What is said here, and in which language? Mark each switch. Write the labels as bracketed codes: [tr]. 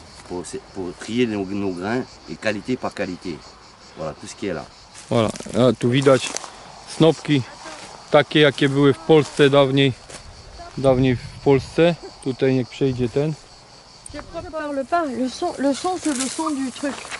[fr] Nos grains et qualité par qualité. Voilà tout ce qui est là. Voilà, là, [pl] tu widać snopki takie jakie były w Polsce dawniej w Polsce. Tutaj niech przejdzie ten. [fr] Je parle pas, le son c'est le son du truc.